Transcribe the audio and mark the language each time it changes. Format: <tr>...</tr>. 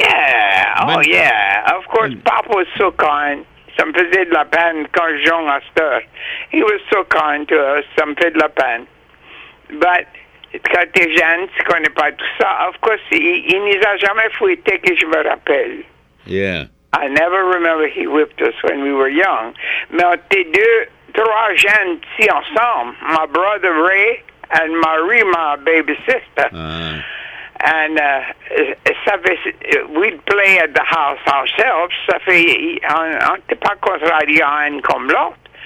<en>Oh, yeah. Of course, Papa was so kind.</en> <fr>Ça me faisait de la peine quand Jean a star.</fr> <en>He was so kind to us.</en> <fr>Ça me fait de la peine. But quand t'es jeune, tu connais pas tout ça.</fr> <en>Of course,</en> <fr>il nous a jamais fouetté que je me rappelle.</fr> <en>Yeah. I never remember he whipped us when we were young.</en> <fr>Mais on était deux, trois jeunes ici ensemble.</fr> <en>My brother Ray and Marie, my baby sister. And we'd play at the house ourselves.</en> <fr>Ça fait, on n'était pas contrariant comme l'autre.</fr>